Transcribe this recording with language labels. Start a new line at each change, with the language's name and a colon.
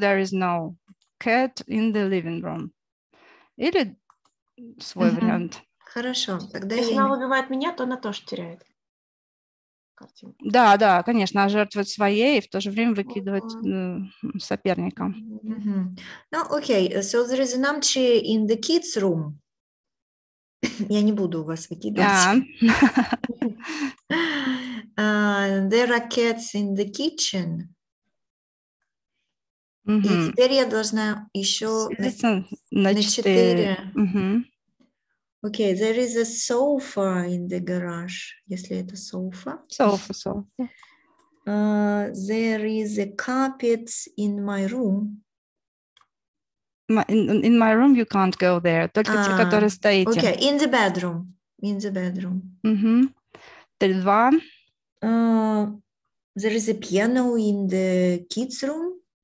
English: There is no cat in the living room.
Russian: Или свой вариант. Хорошо. Тогда если она убивает меня, то она тоже теряет. Да, да, конечно, жертвовать своей и в то же время выкидывать соперника. Ну, окей,
English: so there is an armchair in the kids' room.
Russian: Я не буду у вас выкидывать.
English: There are cats in the kitchen.
Russian: И теперь я должна еще на четыре.
English: Окей, there is a sofa in the garage,
Russian: если это
English: sofa. Sofa. There is a carpet in my room. In my room you can't go there.
Russian: Только те, которые стоите.
English: Okay, in the bedroom. In the bedroom.
Russian: Два.
English: There is a piano in the kids room.